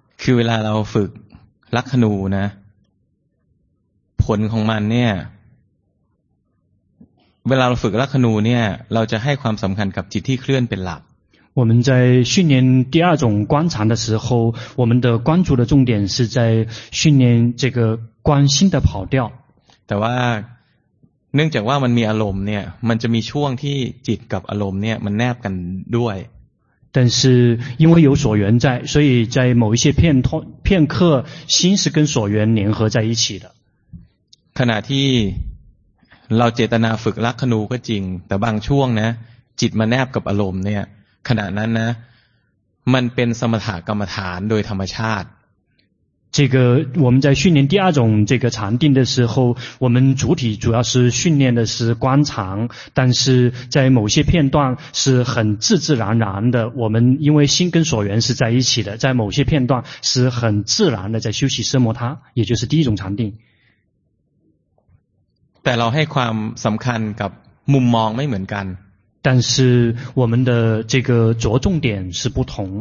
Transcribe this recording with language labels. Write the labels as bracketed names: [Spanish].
[Thai] คือเวลาเราฝึกลักขณูนะผลของมันเนี่ยเวลาเราฝึกลักขณูเนี่ยเราจะให้ความสำคัญกับจิตที่เคลื่อนเป็นหลัก [Chinese] 我们在训练第二种观察的时候，我们的关注的重点是在训练这个观心的跑调。 [Thai] แต่ว่าเนื่องจากว่ามันมีอารมณ์เนี่ยมันจะมีช่วงที่จิตกับอารมณ์เนี่ยมันแนบกันด้วย [Chinese] 但是因为有所缘在，所以在某一些片通片刻，心是跟所缘联合在一起的。 [Thai] ขณะที่เราเจตนาฝึกลักขณูก็จริงแต่บางช่วงนะจิตมันแนบกับอารมณ์เนี่ยขณะนั้นนะมันเป็นสมถกรรมฐานโดยธรรมชาติ [Chinese] 这个我们在训练第二种这个禅定的时候我们主体主要是训练的是观常但是在某些片段是很自自然然的我们因为心跟所缘是在一起的在某些片段是很自然的在休息奢摩他也就是第一种禅定 [Thai] แต่เราให้ความสำคัญกับมุมมองไม่เหมือนกัน [Chinese] แต่是我们的这个着重点是不同